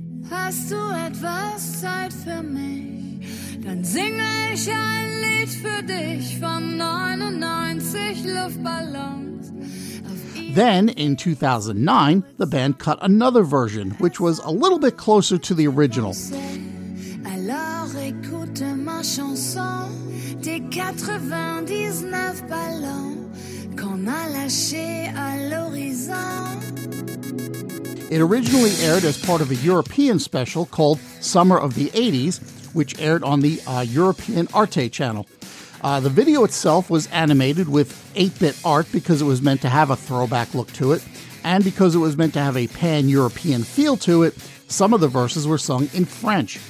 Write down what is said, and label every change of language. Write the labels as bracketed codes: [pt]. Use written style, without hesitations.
[de] Hast du etwas Zeit für mich? Dann singe ich ein Lied für dich von 99 Luftballons. [en] Then, in 2009, the band cut another version, which was a little bit closer to the original. [fr] Alors écoute ma chanson des 99 ballons qu'on a lâchés à l'horizon. [en] It originally aired as part of a European special called Summer of the 80s, which aired on the European Arte channel. The video itself was animated with 8-bit art because it was meant to have a throwback look to it, and because it was meant to have a pan-European feel to it, some of the verses were sung in French.